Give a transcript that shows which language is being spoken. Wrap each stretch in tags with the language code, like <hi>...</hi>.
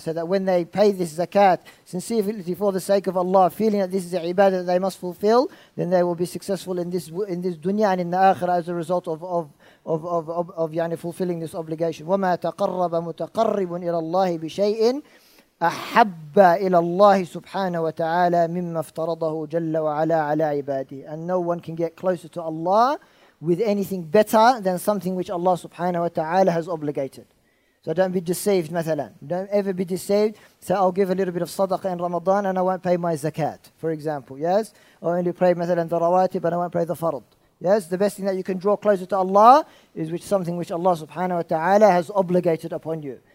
<en>So that when they pay this zakat, sincerely for the sake of Allah, feeling that this is a ibadah that they must fulfill, then they will be successful in this dunya and in the akhirah as a result of fulfilling this obligation.</en> <ar>وَمَا تَقَرَّبَ مُتَقَرِّبٌ إِلَىٰ اللَّهِ بِشَيْءٍ أحب إلى الله سبحانه وتعالى مما افترضه جل وعلا على عباده.</ar> <en>And no one can get closer to Allah with anything better than something which Allah subhanahu wa ta'ala has obligated. So don't be deceived, مثلا. Don't ever be deceived. Say, I'll give a little bit of sadaqah in Ramadan and I won't pay my zakat, for example. Yes? Or only pray, مثلا, the rawatib and I won't pray the fard. Yes? The best thing that you can draw closer to Allah is with something which Allah subhanahu wa ta'ala has obligated upon you.</en>